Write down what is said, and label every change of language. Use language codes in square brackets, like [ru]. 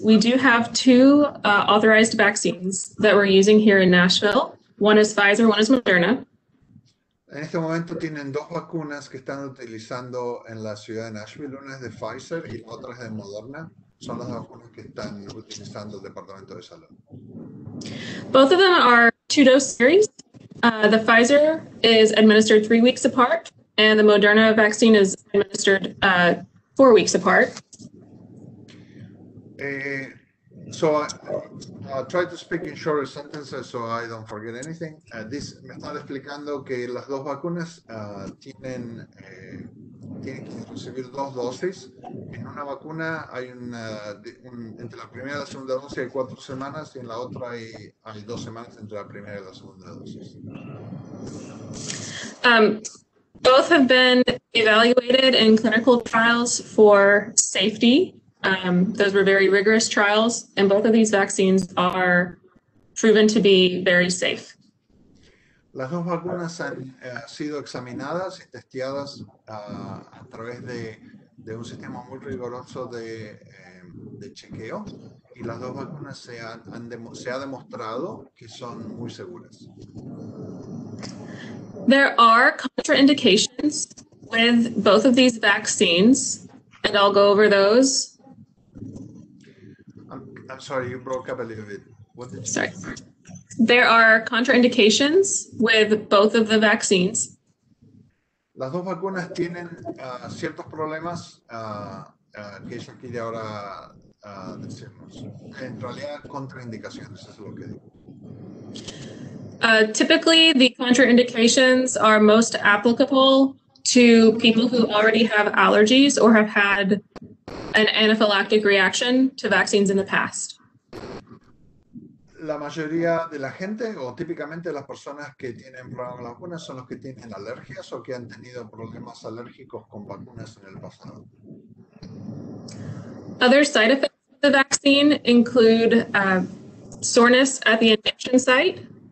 [en] We do have two authorized vaccines that we're using here in Nashville. One is Pfizer, one is Moderna. [es] En este momento tienen dos vacunas que están utilizando en la ciudad de Nashville. Una es de Pfizer y la otra es de Moderna. Son las vacunas que están utilizando el Departamento de Salud. [en] Both of them are two-dose series. The Pfizer is administered 3 weeks apart, and the Moderna vaccine is administered 4 weeks apart. So I'll try to speak in shorter sentences so I don't forget anything. [es] This me están explicando que las dos vacunas tienen que recibir dos dosis. En una vacuna hay entre la primera y la segunda dosis hay 4 semanas, y en la otra hay 2 semanas entre la primera y la segunda dosis. [en] Both have been evaluated in clinical trials for safety. Those were very rigorous trials, and both of these vaccines are proven to be very safe. [es] Las dos vacunas han sido examinadas y testeadas a través de un sistema muy riguroso de chequeo, y las dos vacunas se ha demostrado que son muy seguras. [en] There are contraindications with both of these vaccines, and I'll go over those. I'm sorry, you broke up a little bit. What did you say? There are contraindications with both of the vaccines. [es] Las dos vacunas tienen ciertos problemas que yo quería ahora decirnos. En realidad, contraindicaciones, eso es lo que digo. [en] Typically, the contraindications are most applicable to people who already have allergies or have had an anaphylactic reaction to vaccines in the past. [es] La mayoría de la gente, o típicamente las personas que tienen problemas con las vacunas, son los que tienen alergias o que han tenido problemas alérgicos con vacunas en el pasado. [en] Other side effects of the vaccine include soreness at the injection site.